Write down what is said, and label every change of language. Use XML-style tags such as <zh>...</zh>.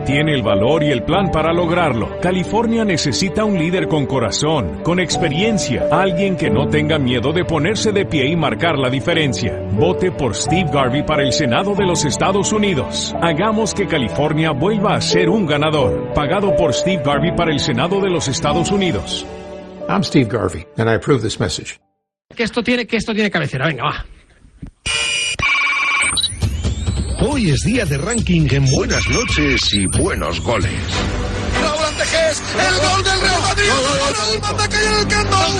<es>Tiene el valor y el plan para lograrlo. California necesita un líder con corazón, con experiencia, alguien que no tenga miedo de ponerse de pie y marcar la diferencia. Vote por Steve Garvey para el Senado de los Estados Unidos. Hagamos que California vuelva a ser un ganador. Pagado por Steve Garvey para el Senado de los Estados Unidos.</es> <en>I'm Steve Garvey, and I approve this message.</en> <es>Que esto tiene cabecera, venga, va. Hoy es día de ranking en Buenas Noches y Buenos Goles. ¡El gol del Real Madrid! ¡El gol del Madrid en el Camp Nou!</es>